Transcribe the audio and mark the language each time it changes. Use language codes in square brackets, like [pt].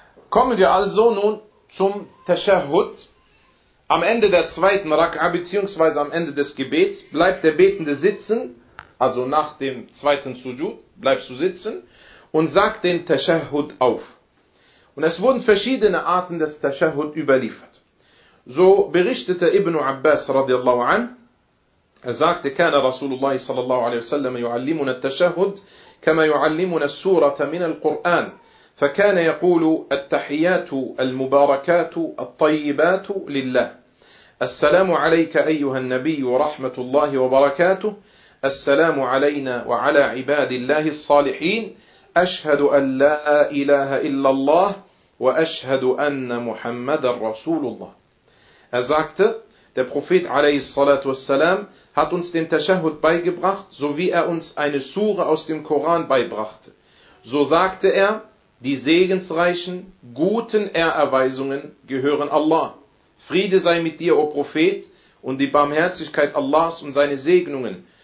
[de] Kommen wir also nun zum Tashahhud. Am Ende der zweiten Rak'a bzw. am Ende des Gebets bleibt der Betende sitzen, also nach dem zweiten Sujud bleibst du sitzen und sagt den Tashahhud auf. Und es wurden verschiedene Arten des Tashahhud überliefert. So berichtete Ibn Abbas radiallahu anhu, er sagte, [ar] كان رسول الله صلى الله عليه وسلم يعلمنا التشهد كما يعلمنا السورة من القرآن فكان يقول التحيات المباركات الطيبات لله السلام عليك أيها النبي ورحمة الله وبركاته السلام علينا وعلى عباد الله الصالحين أشهد أن لا إله إلا الله وأشهد أن محمد رسول الله. [de] Er sagte, der Prophet a.s. hat uns den Tashahhud beigebracht, so wie er uns eine Sure aus dem Koran beibrachte. So sagte er, die segensreichen, guten Ehrerweisungen gehören Allah. Friede sei mit dir, o Prophet, und die Barmherzigkeit Allahs und seine Segnungen.